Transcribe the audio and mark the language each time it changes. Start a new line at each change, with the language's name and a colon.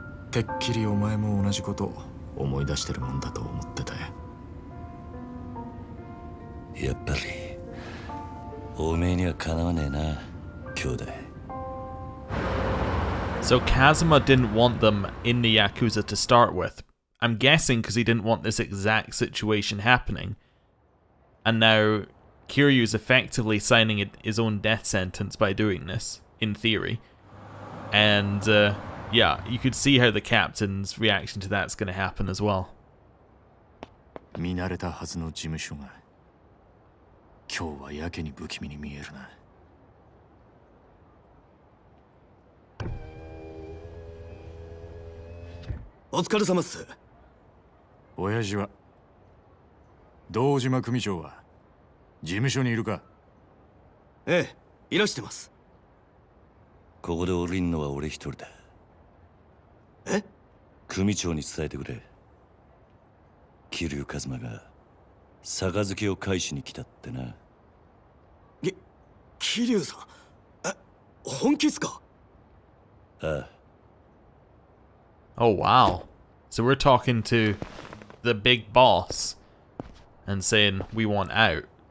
Japanese: てっきりお前も同じこと思い出してるもんだと思ってたよ。やっぱりおめえにはかなわねえな、兄弟。
English: So Kazuma didn't want them in the Yakuza to start with. I'm guessing because he didn't want this exact situation happening. And now Kiryu's effectively signing his own death sentence by doing this, in theory. And yeah, you could see how the captain's reaction to that's going to happen as well.
Japanese: 見慣れたはずの事務所が今日はやけに不気味に見えるな。お疲れ様っす。親父は、堂島組長は事務所にいるか。ええ、いらしてます。ここで降りんのは俺一人だ。え、組長に伝えてくれ。キリュウカズマが杯を返しに来たってな。キリュウさん、え、本気っすか。
English: Oh wow. So we're talking to the big boss and saying we want out.